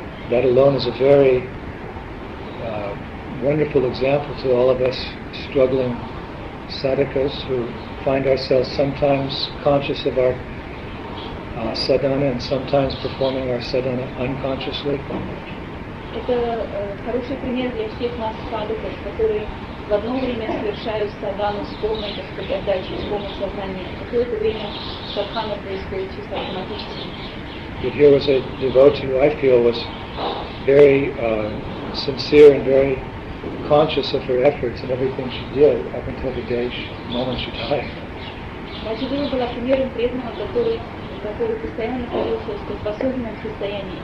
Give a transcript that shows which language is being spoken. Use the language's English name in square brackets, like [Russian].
[English] That alone is a very wonderful example to all of us struggling sadhakas who find ourselves sometimes conscious of our sadhana and sometimes performing our sadhana unconsciously. [Russian] Это хороший пример для всех нас садхуков, которые в одно время совершают садхану с полной, так сказать, отдачей, с полным сознанием. В какое-то время садхана происходит чисто автоматически. [English] But here was a devotee who I feel was very sincere and very conscious of her efforts and everything she did up until the day, the moment she died. [Russian] Раджидура была примером преданного, который постоянно находился в осознанном состоянии.